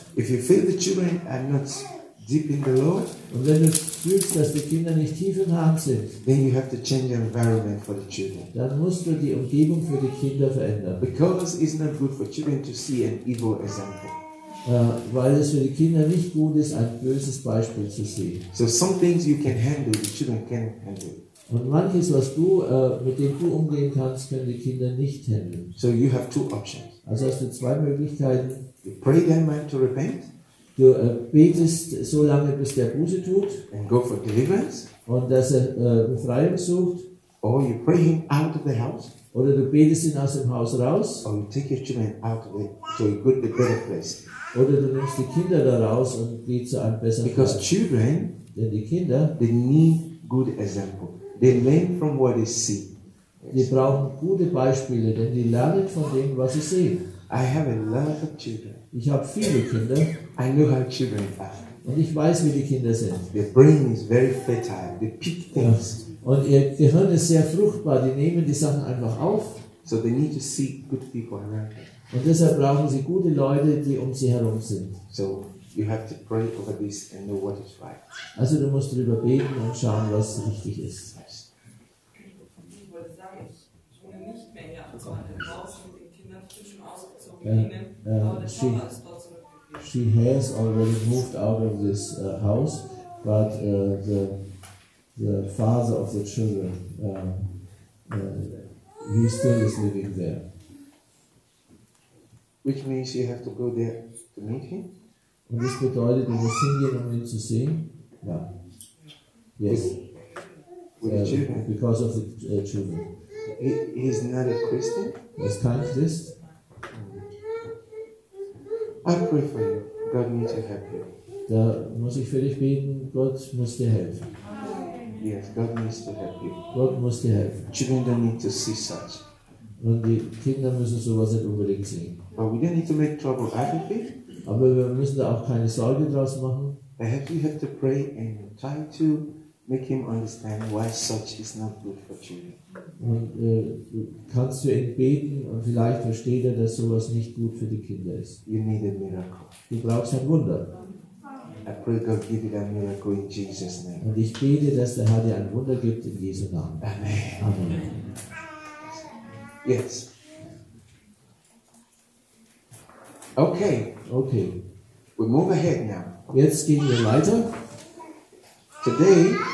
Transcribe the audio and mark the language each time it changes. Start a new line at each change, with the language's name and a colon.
English: If you feel the children are not deep in the Lord.
German: Und wenn du fühlst, dass die Kinder nicht tief im Herrn sind,
English: then you have to change the environment for the children.
German: Dann musst du die Umgebung für die Kinder verändern.
English: Because it's not good for children to see an evil example.
German: Weil es für die Kinder nicht gut ist, ein böses Beispiel zu sehen.
English: So some things you can handle, the children can handle.
German: Und manches, was du mit dem du umgehen kannst, können die Kinder nicht handeln.
English: So you have two options.
German: Also hast du zwei Möglichkeiten.
English: You pray them man to repent.
German: Du betest so lange, bis der Buße tut.
English: And go for deliverance.
German: Und dass er Befreiung sucht.
English: Or you pray him out of the house.
German: Oder du betest ihn aus dem Haus raus.
English: Or you take your children out of it to a good, a better place.
German: Oder du nimmst die Kinder da raus und geht zu einem besseren Ort.
English: Because children,
German: denn die Kinder,
English: they need good example. They learn from what they see.
German: Die brauchen gute Beispiele, denn die lernen von dem, was sie sehen.
English: I have a lot of children.
German: Ich habe viele Kinder.
English: I know how children are.
German: Und ich weiß, wie die Kinder sind.
English: Their brain is very fertile. They pick things.
German: Und ihr Gehirn ist sehr fruchtbar. Die nehmen die Sachen einfach auf.
English: So they need to seek good people around.
German: Und deshalb brauchen sie gute Leute, die um sie herum sind.
English: So you have to pray over this and know what is right.
German: Also du musst darüber beten und schauen, was richtig ist. Ich wollte sagen, ich wohne nicht mehr hier, also an dem Haus mit den Kindern frisch ausgezogen.
English: She has already moved out of this house, but the father of the children, he still is living there. Which means you have to go there to meet him?
German: Und das bedeutet, du musst hingehen, um ihn zu sehen?
English: Ja. Yes. With the children? Because of the children. He is not a Christian? He is
German: kein Christ.
English: I pray for you. God needs to help you.
German: Da muss ich für dich beten. Gott muss dir helfen.
English: Yes, God needs to help you.
German: Gott muss dir helfen.
English: Children don't need to see such.
German: Und die Kinder müssen sowas nicht unbedingt sehen.
English: But we don't need to make trouble out of it.
German: Aber wir müssen da auch keine Sorge draus machen.
English: I have to pray and try to make him understand why such is not good for children.
German: Und kannst du ihn beten und vielleicht versteht er, dass sowas nicht gut für die Kinder ist.
English: You need a miracle.
German: Du brauchst ein Wunder.
English: I pray God give you that miracle in Jesus' name.
German: Und ich bete, dass der Herr dir ein Wunder gibt in Jesu Namen. Amen. Amen.
English: Yes. Okay. Okay. We move ahead now.
German: Jetzt gehen wir weiter.
English: Today.